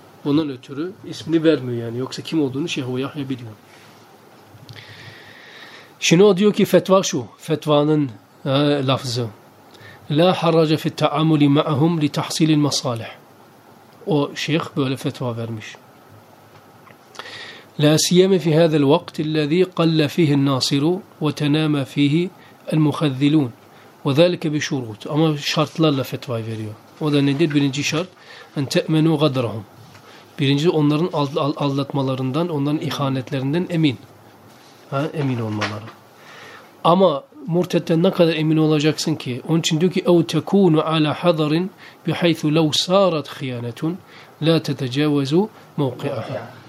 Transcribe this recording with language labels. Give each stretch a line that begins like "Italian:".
Turkish: Bunun ötürü ismini vermiyor yani. Yoksa kim olduğunu Şeyh Ebu Yahya biliyor. Şimdi o diyor ki fetva şu. Fetvanın lafzı.
Arabic: La harraca fit ta'amuli ma'ahum li tahsilil masalih.
Turkish: O şeyh böyle fetva vermiş.
Arabic: لا سيما في هذا الوقت الذي قل فيه الناصر وتنام فيه المخذلون وذلك بشروط. أما
Turkish: şartlarla fetva veriyor. O da nedir? Birinci şart
Arabic: en te'menu gadrahum.
Turkish: Birinci onların aldatmalarından, onların ihanetlerinden emin. Ha, emin olmaları. Ama murtetten ne kadar emin olacaksın ki? Onun için diyor ki
Arabic: او تكون على حذر بحيث لو صارت خيانة لا تتجاوز موقعها.